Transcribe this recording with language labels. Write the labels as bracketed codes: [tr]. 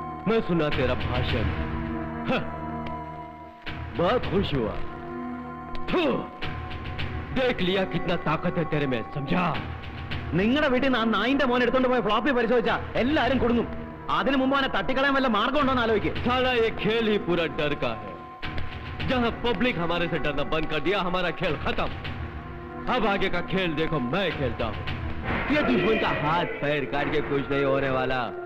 [hi] मैं सुना तेरा भाषण, बहुत खुश हुआ. देख लिया कितना ताकत है तेरे में, समझा? [ml] നിങ്ങളുടെ വീട്ടിൽ നിന്ന് ആ നായിന്റെ മോനെ എടുത്തോണ്ട് പോയ ഫ്ലോപ്പി പരിശോധിച്ചാ എല്ലാരും കുടുങ്ങും. അതിനു മുമ്പ് അവനെ തട്ടിക്കളയാൻ വല്ല മാർഗം ഉണ്ടോ എന്ന് ആലോചിക്കുക. [hi] जहां पब्लिक हमारे से डरना बंद कर दिया हमारा खेल खत्म. अब आगे का खेल देखो मैं खेलता हूं. ये दुश्मन का हाथ पैर काट के कुछ नहीं होने वाला.